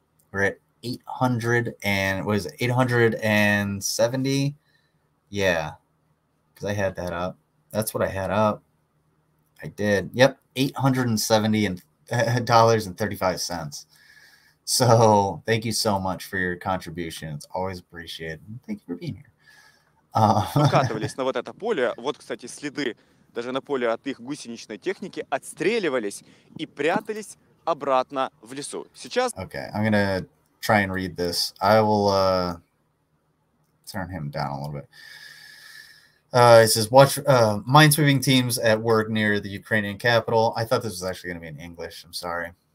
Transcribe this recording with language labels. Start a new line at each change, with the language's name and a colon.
English: We're at 800 and, what is it, 870? Yeah, because I had that up. That's what I had up. I did. Yep. $870.35. So thank you so much for your contribution. It's always appreciated. And thank you for being here.
Russian: Выкатывались на вот это поле. Вот, кстати, следы даже на поле от их гусеничной техники отстреливались и прятались обратно в лесу. Сейчас...
English: Okay, I'm going to try and read this. I will turn him down a little bit. It says, watch minesweeping teams at work near the Ukrainian capital. I thought this was actually going to be in English. I'm sorry.